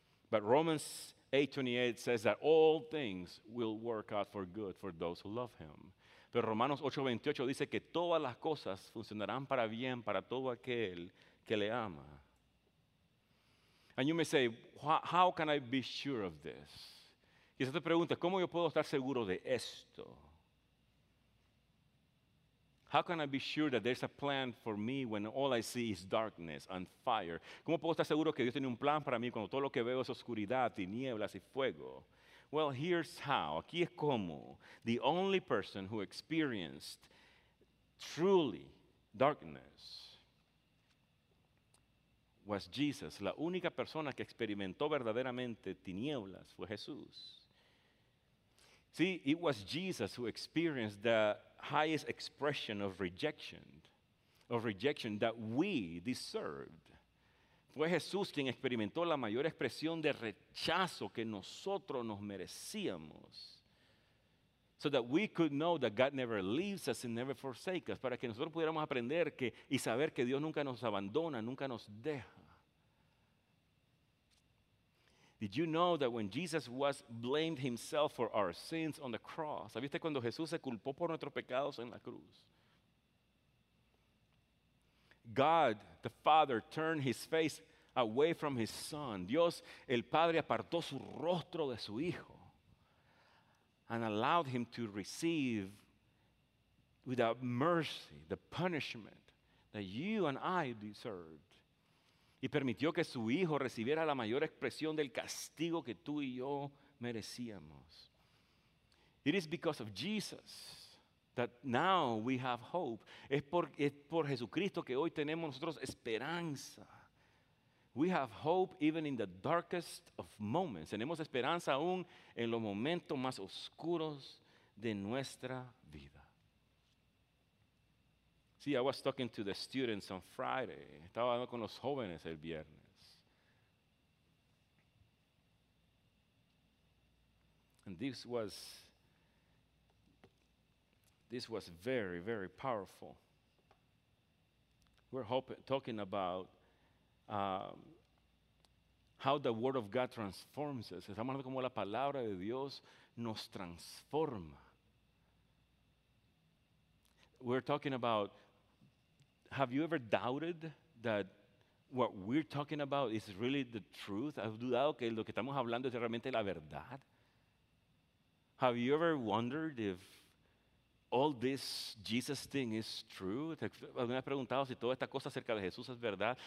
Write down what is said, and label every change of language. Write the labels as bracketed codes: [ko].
[en] But Romans 8:28 says that all things will work out for good for those who love Him. [es] Pero Romanos 8:28 dice que todas las cosas funcionarán para bien para todo aquel que le ama. [en] And you may say, how can I be sure of this? [es] Y si te preguntas, ¿cómo yo puedo estar seguro de esto? [en] How can I be sure that there's a plan for me when all I see is darkness and fire? [es] ¿Cómo puedo estar seguro que Dios tiene un plan para mí cuando todo lo que veo es oscuridad, tinieblas y fuego? [en] Well, here's how. [es] Aquí es como. [en] The only person who experienced truly darkness was Jesus. [es] La única persona que experimentó verdaderamente tinieblas fue Jesús. [en] See, it was Jesus who experienced the highest expression of rejection that we deserved. [es] Fue Jesús quien experimentó la mayor expresión de rechazo que nosotros nos merecíamos. [en] So that we could know that God never leaves us and never forsakes us. [es] Para que nosotros pudiéramos aprender que y saber que Dios nunca nos abandona, nunca nos deja. [en] Did you know that when Jesus was blamed Himself for our sins on the cross? [es] ¿Sabiste cuando Jesús se culpó por nuestros pecados en la cruz? [en] God, the Father, turned His face away from His Son. [es] Dios, el Padre, apartó su rostro de su Hijo [en] and allowed Him to receive without mercy the punishment that you and I deserved. [es] Y permitió que su Hijo recibiera la mayor expresión del castigo que tú y yo merecíamos. [en] It is because of Jesus that now we have hope. [es] Es por Jesucristo que hoy tenemos nosotros esperanza. [en] We have hope even in the darkest of moments. [es] Tenemos esperanza aún en los momentos más oscuros de nuestra vida. [en] See, I was talking to the students on Friday. [es] Estaba hablando con los jóvenes el viernes. [en] And this was very, very powerful. We're talking about how the Word of God transforms us. [es] Estamos hablando como la palabra de Dios nos transforma. [en] We're talking about, have you ever doubted that what we're talking about is really the truth? [es] ¿Has dudado que lo que estamos hablando es realmente la verdad? [en] Have you ever wondered if all this Jesus thing is true? [es] ¿Alguien ha preguntado si toda esta cosa acerca de Jesús es verdad?